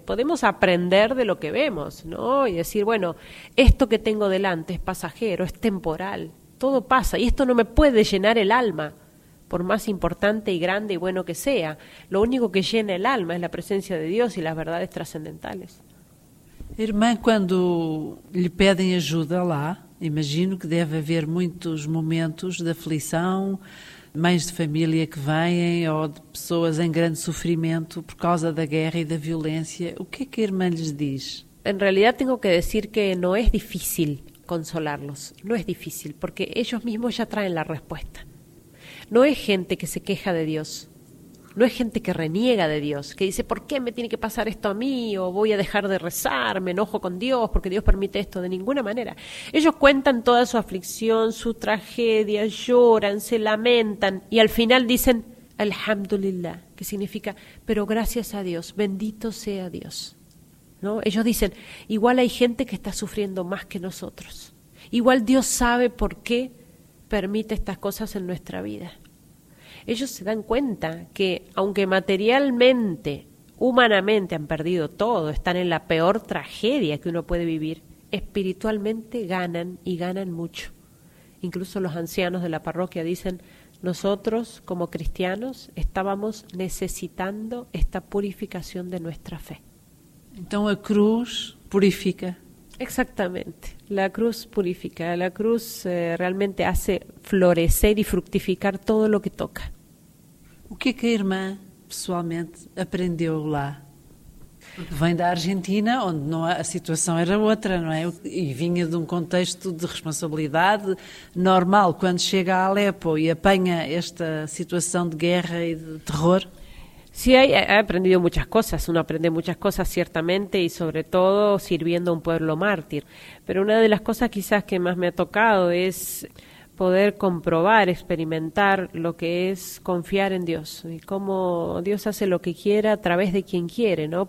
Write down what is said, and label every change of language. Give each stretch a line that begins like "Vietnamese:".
Spanish: Podemos aprender de lo que vemos, ¿no? Y decir, bueno, esto que tengo delante es pasajero, es temporal, todo pasa. Y esto no me puede llenar el alma, por más importante y grande y bueno que sea. Lo único que llena el alma es la presencia de Dios y las verdades trascendentales.
Portuguese: Irmã, quando lhe pedem ajuda lá, imagino que deve haver muitos momentos de aflição, mães de família que vêm ou de pessoas em grande sofrimento por causa da guerra e da violência. O que é que a irmã lhes diz? Em realidade, tenho que dizer que não é difícil consolá-los. Não é difícil, porque eles mesmos já traem a resposta. Não é gente que
Spanish: se queja
Portuguese: de Deus.
Spanish: No es gente que reniega de Dios, que dice, ¿por qué me tiene que pasar esto a mí? O voy a dejar de rezar, me enojo con Dios porque Dios permite esto. De ninguna manera. Ellos cuentan toda su aflicción, su tragedia, lloran, se lamentan y al final dicen, Alhamdulillah, que significa, pero gracias a Dios, bendito sea Dios. ¿No? Ellos dicen, igual hay gente que está sufriendo más que nosotros. Igual Dios sabe por qué permite estas cosas en nuestra vida. Ellos se dan cuenta que, aunque materialmente, humanamente han perdido todo, están en la peor tragedia que uno puede vivir, espiritualmente ganan y ganan mucho. Incluso los ancianos de la parroquia dicen, nosotros como cristianos estábamos necesitando esta purificación de nuestra fe. Entonces la cruz purifica. Exactamente, la cruz purifica, la cruz realmente hace florecer y fructificar todo lo que toca.
Portuguese: O que é que a irmã, pessoalmente, aprendeu lá? Vem da Argentina, onde não há, a situação era outra, não é? E vinha de um contexto de responsabilidade normal, quando chega a Alepo e apanha esta situação de guerra e de terror.
Spanish: Sí, he aprendido muchas cosas. Uno aprende muchas cosas, ciertamente, y sobre todo sirviendo a un pueblo mártir. Pero una de las cosas quizás que más me ha tocado es poder comprobar, experimentar lo que es confiar en Dios y cómo Dios hace lo que quiera a través de quien quiere, ¿no?